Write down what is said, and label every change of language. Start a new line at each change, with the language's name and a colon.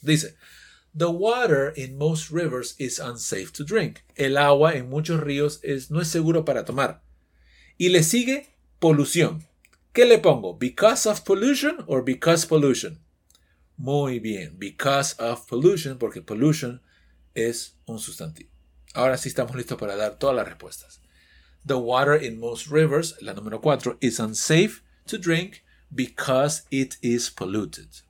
English: Dice, the water in most rivers is unsafe to drink.
Spanish: El agua en muchos ríos no es seguro para tomar. Y le sigue polución. ¿Qué le pongo?
English: ¿Because of pollution or because pollution?
Spanish: Muy bien.
English: Because of pollution,
Spanish: porque pollution es un sustantivo. Ahora sí estamos listos para dar todas las respuestas.
English: The water in most rivers,
Spanish: la número 4,
English: is unsafe to drink because it is polluted.